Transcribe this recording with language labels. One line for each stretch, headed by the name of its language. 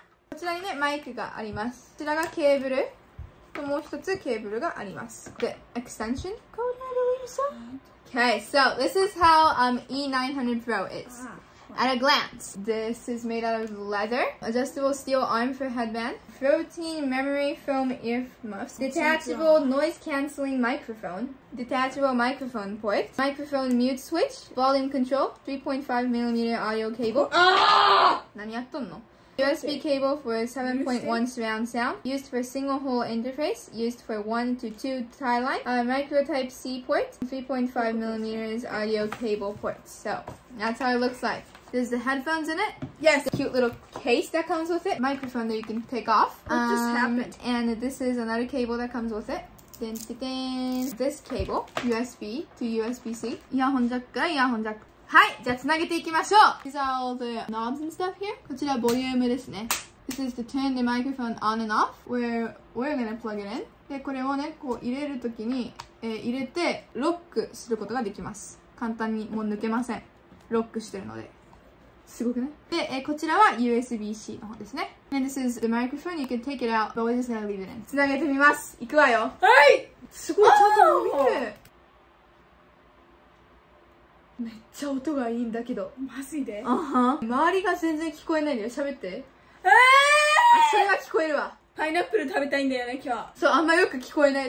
Japanese: こちらにね、マイクがあります。こちらがケーブルと、もう一つケーブルがあります。で、エクステンションコード、
English: I believe so. Okay, so this is how E900 Pro is at a glance. This is made out of leather, adjustable steel arm for headband, 14 memory foam earmuffs, detachable noise cancelling microphone, detachable microphone port, microphone mute switch, volume control, 3.5mm audio cable.
Japanese: 何やっとんの。
English: USB cable for 7.1 surround sound, used for single hole interface, used for 1-2 tie line, micro type C port, 3.5mm audio cable port. So that's how it looks like. There's the headphones in it. Yes. The cute little case that comes with it. Microphone that you can take off. What just happened? And this is another cable that comes with it. Din, din, din. This cable, USB to USB-C. Earphone jack か earphone jack。
Japanese: はい、じゃあつなげていきましょう。
English: These are all the knobs and stuff here.
Japanese: こちらボリュームですね。
English: This is to turn the microphone on and off, where we're gonna plug it in.
Japanese: で、これをね、こう入れるときに、入れてロックすることができます。簡単に、もう抜けません。ロックしてるので、すごくない。で、こちらは USB-C の方ですね。
English: And this is the microphone, you can take it out, but we're just gonna leave it in.
Japanese: つなげてみます。いくわよ。はい、すごい、ちゃんと伸びる。めっちゃ音がいいんだけど。マジで？あは。周りが全然聞こえないんだよ。喋って。あ、それは聞こえるわ。パイナップル食べたいんだよね、今日。そう、あんまよく聞こえない。